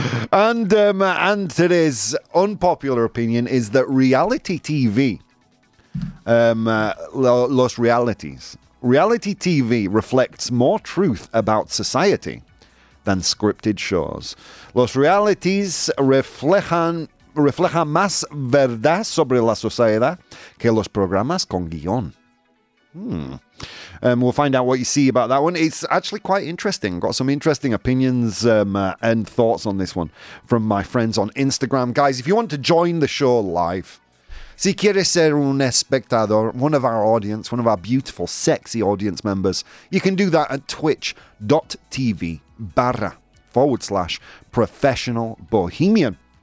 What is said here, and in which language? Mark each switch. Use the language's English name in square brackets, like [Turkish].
[English] And today's unpopular opinion is that reality TV, Los Realities, reality TV reflects more truth about society than scripted shows. [Spanish] Los Realities reflejan más verdad sobre la sociedad que los programas con guión. [English] We'll find out what you see about that one. It's actually quite interesting. Got some interesting opinions and thoughts on this one from my friends on Instagram. Guys, if you want to join the show live, [Spanish] si quieres ser un espectador, [English] one of our audience, one of our beautiful, sexy audience members, you can do that at twitch.tv/professionalbohemian.